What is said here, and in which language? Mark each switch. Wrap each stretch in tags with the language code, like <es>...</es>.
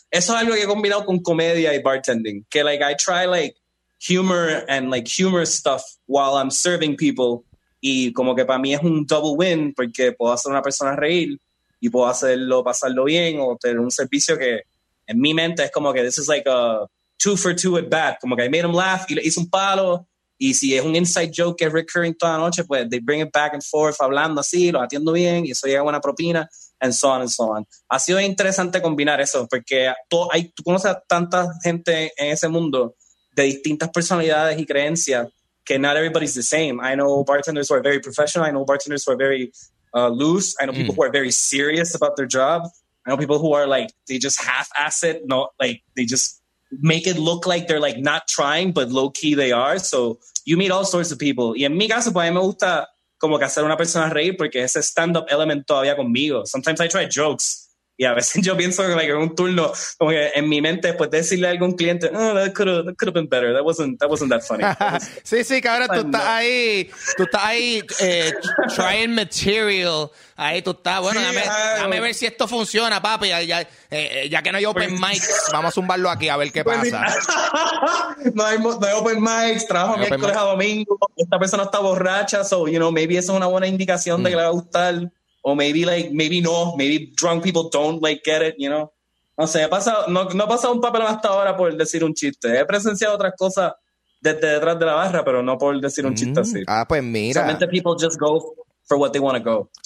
<es>Eso es algo que he combinado con comedia y bartending.</es> <en>Que, like, I try, like, humor and, like, humor stuff while I'm serving people.</en> <es>Y como que para mí es un double win porque puedo hacer una persona reír y puedo hacerlo, pasarlo bien o tener un servicio que en mi mente es como que</es> <en>this is like a two for two at bat.</en> <es>Como que</es> <en>I made him laugh</en> <es>y le hice un palo. Y si es un</es> <en>inside joke</en> <es>que es recurring toda la noche, pues</es> <en>they bring it back and forth</en> <es>hablando así, lo atiendo bien y eso llega a buena propina,</es> <en>and so on and so on.</en> <es>Ha sido interesante combinar eso porque tú conoces a tanta gente en ese mundo de distintas personalidades y creencias que</es> <en>not everybody's the same. I know bartenders who are very professional. I know bartenders who are very loose. I know people who are very serious about their job. I know people who are like, they just half-ass it. No, like, they just make it look like they're like not trying, but low-key they are. So you meet all sorts of people.</en> <es>Y en mi caso, pues a mí me gusta como que hacer una persona reír porque ese stand-up element todavía conmigo.</es> <en>Sometimes I try jokes.</en> <es>Y a veces yo pienso que like, en un turno, como que en mi mente, después de decirle a algún cliente,</es> <en>oh, that could have been better. That wasn't that funny.</en> <es>Sí, sí, cabrón, tú estás ahí</es> <en>trying material.</en> <es>Ahí tú estás. Bueno, sí, dame ver si esto funciona, papi. Ya que no hay open mics, vamos a zumbarlo aquí a ver qué pasa. no hay open mics, trabajo miércoles a domingo. Esta persona está borracha,</es> <en>so, you know, maybe</en> <es>eso es una buena indicación de que le va a gustar.</es> <en>O maybe drunk people don't like get it, you know.</en> <es>No sé, no ha pasado un papel hasta ahora por decir un chiste. He presenciado otras cosas desde detrás de la barra, pero no por decir un chiste así. Ah, pues mira.</es> <en>Solamente people just go for what they want to go.</en>